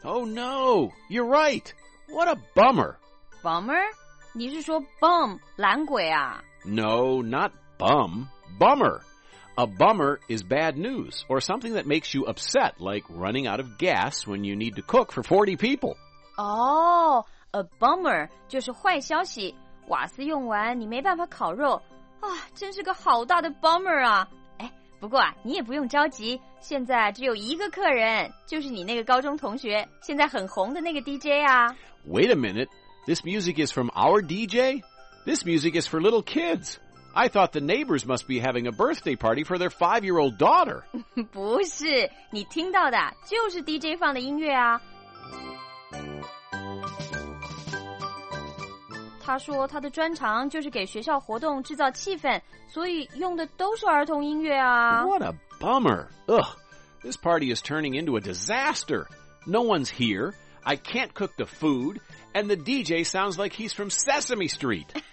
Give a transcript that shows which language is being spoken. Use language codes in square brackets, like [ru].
[en] Oh, no. You're right. What a bummer. [zh] Bummer? 你是说 bum, 懒鬼啊？ [en] No, not bum. Bummer. A bummer is bad news, or something that makes you upset, like running out of gas when you need to cook for 40 people. [zh] Oh, a bummer 就是坏消息。瓦斯用完，你没办法烤肉。啊，真是个好大的 bummer 啊。哎，不过啊，你也不用着急，现在只有一个客人，就是你那个高中同学，现在很红的那个 DJ 啊。 [en] Wait a minute, this music is from our DJ? This music is for little kids. I thought the neighbors must be having a birthday party for their 5-year-old daughter. [zh] 不是，你听到的就是 DJ 放的音乐啊。他说他的专长就是给学校活动制造气氛，所以用的都是儿童音乐啊。 [en] What a bummer. Ugh, this party is turning into a disaster. No one's here, I can't cook the food, and the DJ sounds like he's from Sesame Street.